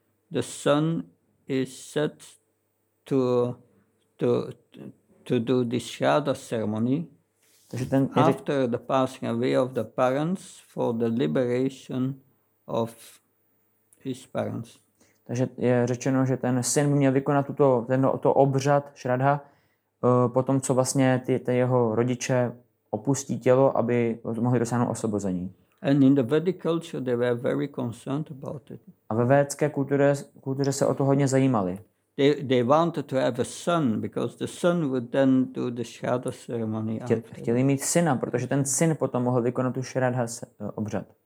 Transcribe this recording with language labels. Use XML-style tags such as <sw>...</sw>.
<en>The sun is set to do this shraddha ceremony after the passing away of the parents for the liberation of his parents.</en> <cs>Takže je řečeno, že ten syn měl vykonat tento obřad shraddha potom, co vlastně ty jeho rodiče opustí tělo, aby mohli dosáhnout osvobození.</cs> <en>And in the Vedic culture they were very concerned about it.</en> <cs>A ve védské kultuře se o to hodně zajímali.</cs> <en>They wanted to have a son because the son would then do the shraddha ceremony.</en> <cs>Chtěli mít syna, protože ten syn potom mohl vykonat tu shraddha obřad.</cs>